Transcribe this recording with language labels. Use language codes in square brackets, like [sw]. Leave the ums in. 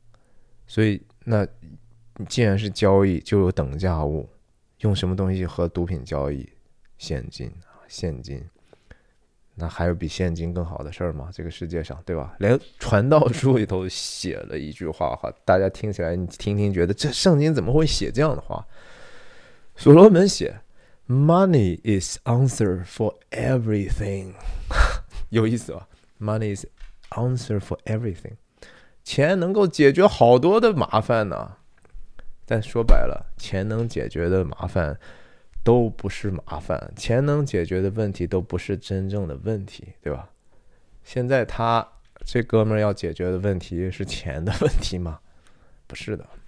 [zh] ”所以那。你既然是交易，就有等价物。用什么东西和毒品交易？现金啊，现金。那还有比现金更好的事儿吗？这个世界上，对吧？连《传道书》里头写了一句话哈，大家听起来你听听，觉得这圣经怎么会写这样的话？所罗门写：“ [en] Money is answer for everything 。 ” [zh] 有意思吧？“ [en] Money is answer for everything。 [zh] ”钱能够解决好多的麻烦呢、啊。但说白了，钱能解决的麻烦，都不是麻烦；钱能解决的问题，都不是真正的问题，对吧？现在他这哥们要解决的问题是钱的问题吗？不是的。